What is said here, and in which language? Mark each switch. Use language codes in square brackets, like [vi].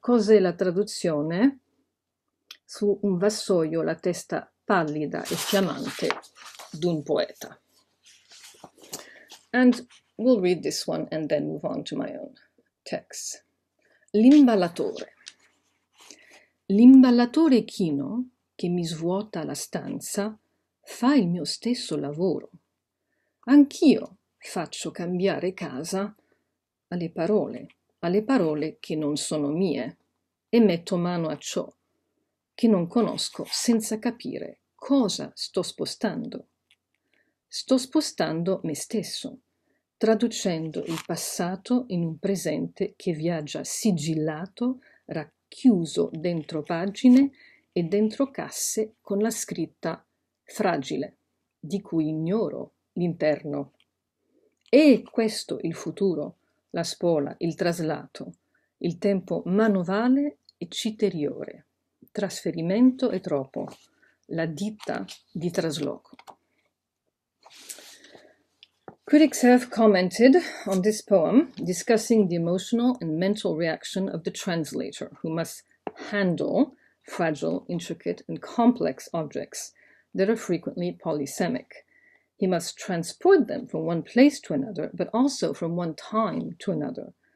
[it] Cos'è la traduzione? Su un vassoio la testa pallida e fiammante d'un poeta. [en] And we'll read this one and then move on to my own text. [it] L'imballatore. L'imballatore chino che mi svuota la stanza fa il mio stesso lavoro. Anch'io faccio cambiare casa alle parole che non sono mie, e metto mano a ciò che non conosco senza capire cosa sto spostando. Sto spostando me stesso, traducendo il passato in un presente che viaggia sigillato, racchiuso dentro pagine e dentro casse con la scritta fragile, di cui ignoro l'interno. E questo il futuro, la spola, il traslato, il tempo manovale e citeriore, trasferimento e troppo, la ditta di trasloco. [en] Critics have commented on this poem, discussing the emotional and mental reaction of the translator, who must handle fragile, intricate, and complex objects that are frequently polysemic. He must transport them from one place to another, but also from one time to another.